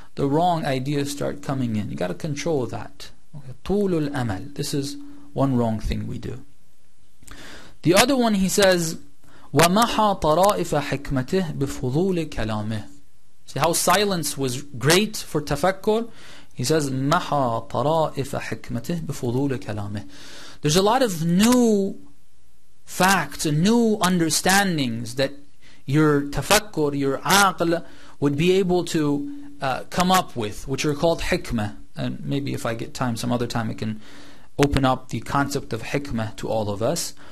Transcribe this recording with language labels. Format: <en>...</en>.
<en>the wrong ideas start coming in. You got to control that. Okay.</en> <ar>طول الأمل.</ar> <en>This is one wrong thing we do. The other one, he says,</en> <ar>وَمَحَا طَرَائِفَ حِكْمَتِهِ بِفُضُولِ كَلَامِهِ.</ar> <en>See how silence was great for tafakkur? He says,</en> <ar>مَحَا طَرَائِفَ حِكْمَتِهِ بِفُضُولِ كَلَامِهِ.</ar> <en>There's a lot of new facts and new understandings that your tafakkur, your aql, would be able to come up with, which are called hikmah. And maybe if I get time some other time, I can open up the concept of hikmah to all of us.</en>